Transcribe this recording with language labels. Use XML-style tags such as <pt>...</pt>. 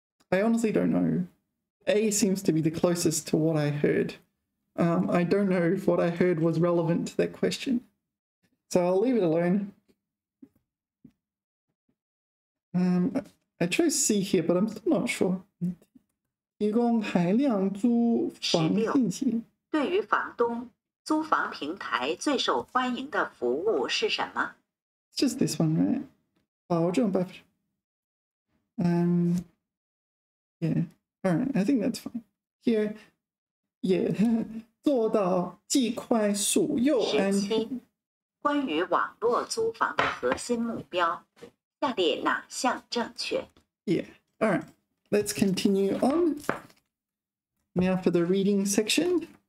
<en>I honestly don't know. A seems to be the closest to what I heard. I don't know if what I heard was relevant to that question. So I'll leave it alone. I chose C here, but I'm still not sure.</en> <zh>提供海量租房信息。对于房东，租房平台最受欢迎的服务是什么？</zh> <en>Just this one, right?</en> <zh>保证百分之。</zh> <en>Yeah. Alright, I think that's fine.</en> <zh>Here, yeah, 做到既快速又安全。关于网络租房的核心目标，下列哪项正确？</zh> <en>Yeah, alright, let's continue on. Now for the reading section.</en>